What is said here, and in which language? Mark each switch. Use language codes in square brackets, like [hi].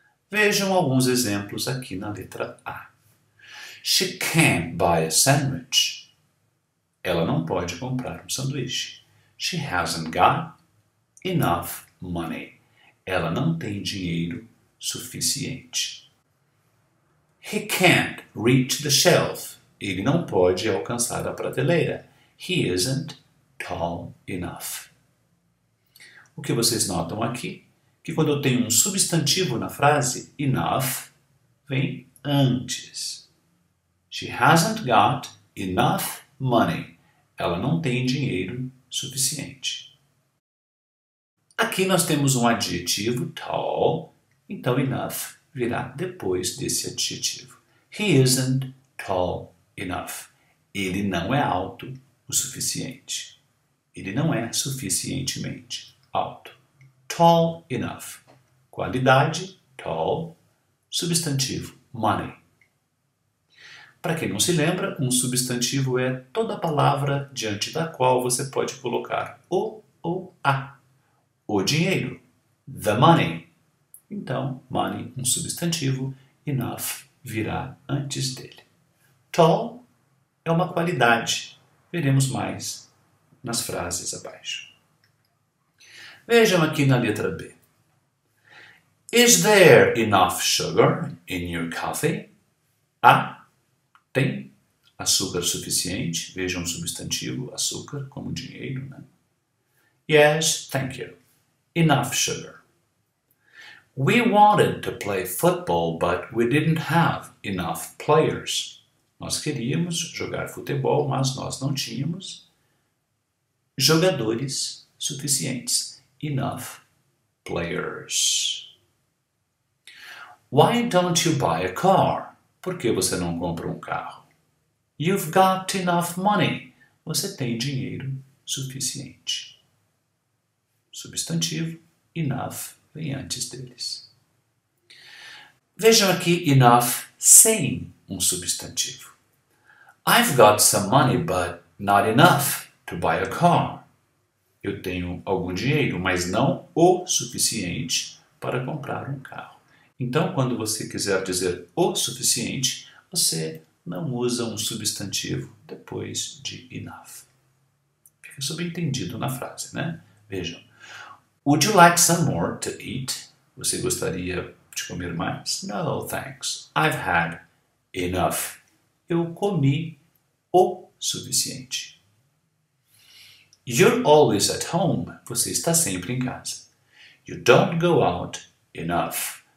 [pt] Vejam alguns exemplos aqui na letra A. [en] She can't buy a sandwich. [pt] Ela não pode comprar um sanduíche. [en] She hasn't got enough money. [pt] Ela não tem dinheiro suficiente. [en] He can't reach the shelf. [pt] Ele não pode alcançar a prateleira. [en] He isn't tall enough. [pt] O que vocês notam aqui? Que quando eu tenho um substantivo na frase, enough vem antes. [en] She hasn't got enough money. [pt] Ela não tem dinheiro suficiente. Aqui nós temos um adjetivo tall, então enough virá depois desse adjetivo. [en] He isn't tall enough. [pt] Ele não é alto o suficiente. Ele não é suficientemente alto. [en] Tall enough. [pt] Qualidade, tall. Substantivo, money. Para quem não se lembra, um substantivo é toda palavra diante da qual você pode colocar o ou a. O dinheiro, the money. Então, money, um substantivo, enough virá antes dele. Tall é uma qualidade. Veremos mais nas frases abaixo. Vejam aqui na letra B. [en] Is there enough sugar in your coffee? [pt] Há? Tem açúcar suficiente? Vejam o substantivo açúcar como dinheiro, né? [en] Yes, thank you. Enough sugar. We wanted to play football, but we didn't have enough players. [pt] Nós queríamos jogar futebol, mas nós não tínhamos jogadores suficientes. [en] Enough players. Why don't you buy a car? [pt] Por que você não compra um carro? [en] You've got enough money. [pt] Você tem dinheiro suficiente. Substantivo, enough, vem antes deles. Vejam aqui enough sem um substantivo. [en] I've got some money, but not enough to buy a car. [pt] Eu tenho algum dinheiro, mas não o suficiente para comprar um carro. Então, quando você quiser dizer o suficiente, você não usa um substantivo depois de enough. Fica subentendido na frase, né? Vejam. [en] Would you like some more to eat? [pt] Você gostaria de comer mais? [en] No, thanks. I've had enough. [pt] Eu comi o suficiente. [en] You're always at home. [pt] Você está sempre em casa. [en] You don't go out enough.